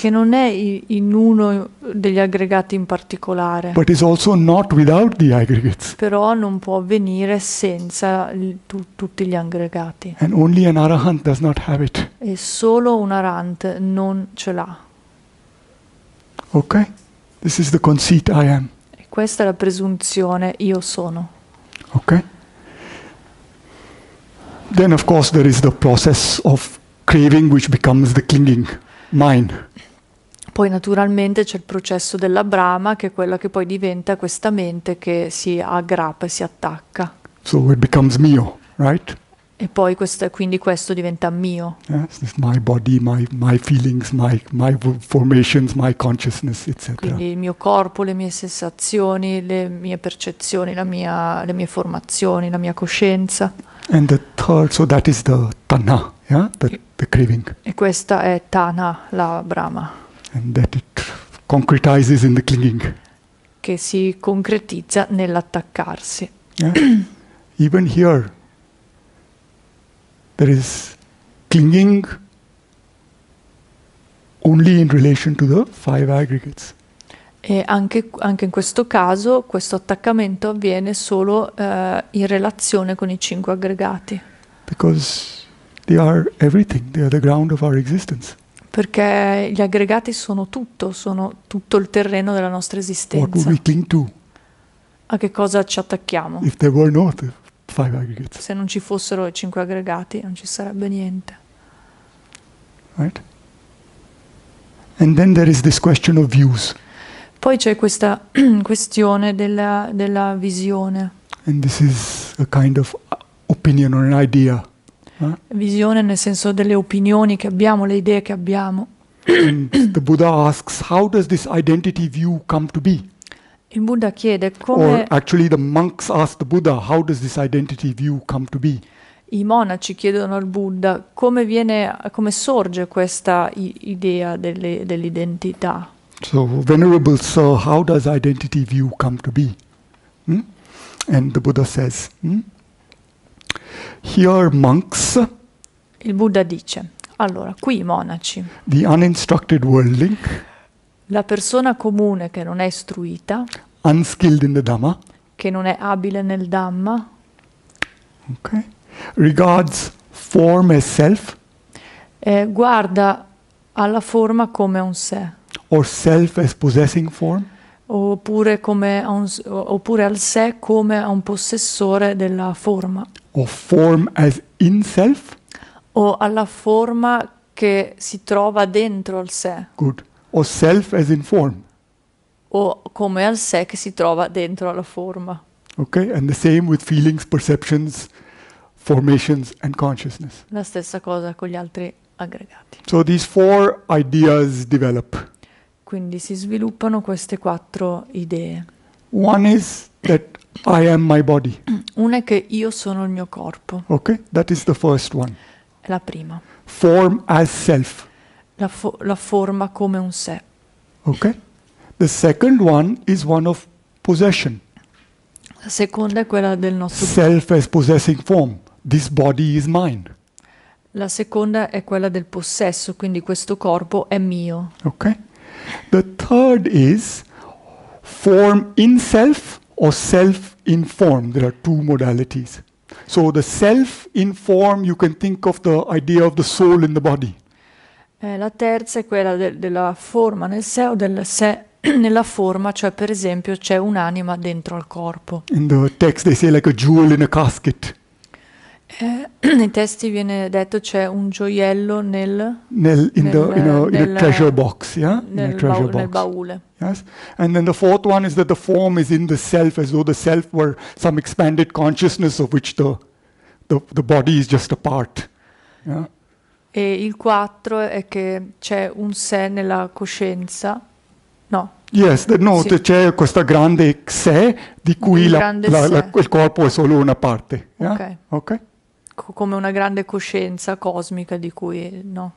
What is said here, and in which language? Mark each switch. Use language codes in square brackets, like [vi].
[it] Che non è in uno degli aggregati in particolare. [en] But is also not without the aggregates. [it] Però non può avvenire senza tutti gli aggregati. [en] And only an arahant does not have it. [it] E solo un arahant non ce l'ha. [en] Okay. This is the conceit I am. [it] E questa è la presunzione io sono. [en] Okay. Then of course there is the process of craving which becomes the clinging, mine. [it] Poi naturalmente c'è il processo della brama che è quella che poi diventa questa mente che si aggrappa e si attacca. [en] So it becomes mio, right? [it] E poi questo diventa mio. [en] Yes, it's my body, my feelings, my formations, my consciousness, etc. [it] Quindi il mio corpo, le mie sensazioni, le mie percezioni, le mie formazioni, la mia coscienza. [en] And the third, so that is the tanha, yeah, the craving. [it] E questa è tanha, la brama. [en] And that it concretizes in the clinging. [it] Che si concretizza nell'attaccarsi. [en] Yeah. Even here, there is clinging only in relation to the five aggregates. [it] E anche in questo caso questo attaccamento avviene solo in relazione con i cinque aggregati. [en] Because they are everything, they are the ground of our existence. [it] Perché gli aggregati sono tutto il terreno della nostra esistenza. [en] What would we cling to? [it] A che cosa ci attacchiamo? [en] If there were not the five aggregates. [it] Se non ci fossero i cinque aggregati non ci sarebbe niente. [en] Right? And then there is this question of views. [it] Poi c'è questa questione della visione. [en] And this is a kind of opinion or an idea. [it] Visione nel senso delle opinioni che abbiamo, le idee che abbiamo. [en] And the Buddha asks, how does this identity view come to be? [it] Il Buddha chiede come. [en] Or actually, the monks ask the Buddha, how does this identity view come to be? [it] I monaci chiedono al Buddha come sorge questa idea dell'identità. [en] So, Venerable Sir, how does identity view come to be? And the Buddha says, Here, monks, [it] Il Buddha dice, allora, qui i monaci, [en] the uninstructed worldling, [it] la persona comune che non è istruita, che [en] unskilled in the Dhamma, [it] non è abile nel Dhamma, [en] regards form as self, [it] guarda alla forma come un sé, [en] or self as possessing form. [it] oppure al sé come a un possessore della forma, [en] Of form as in self? [it] o alla forma che si trova dentro al sé, [en] Good. Or self as in form? [it] o come al sé che si trova dentro alla forma. [en] Okay, and the same with feelings, perceptions, formations and consciousness. [it] La stessa cosa con gli altri aggregati. [en] So these four ideas develop. [it] Quindi si sviluppano queste quattro idee. [en] One is that I am my body. [it] Una è che io sono il mio corpo. [en] Okay, that is the first one. [it] È la prima. [en] Form as self. [it] La forma come un sé. [en] Okay, the second one is one of possession. [it] La seconda è quella del nostro. [en] Self as possessing form. This body is mine. [it] La seconda è quella del possesso, quindi questo corpo è mio. [en] Okay, the third is form in self or self in form. There are two modalities. So the self in form, you can think of the idea of the soul in the body. [it] La terza è quella della forma nel sé o del sé nella forma, cioè per esempio c'è un'anima dentro al corpo. [en] In the text they say like a jewel in a casket. [it] Nei testi viene detto c'è un gioiello [en] In a treasure box, yeah? In a treasure [it] nel baule. [en] Yes? And then the fourth one is that the form is in the self, as though the self were some expanded consciousness of which the body is just a part. Yeah? [it] Il 4 è che c'è un sé nella coscienza. No, [en] Yes, no, [it] sì. c'è questo grande sé di cui Un grande il sé. corpo è solo una parte. Yeah? Ok. [en] Okay? [it] Come una grande coscienza cosmica di cui no,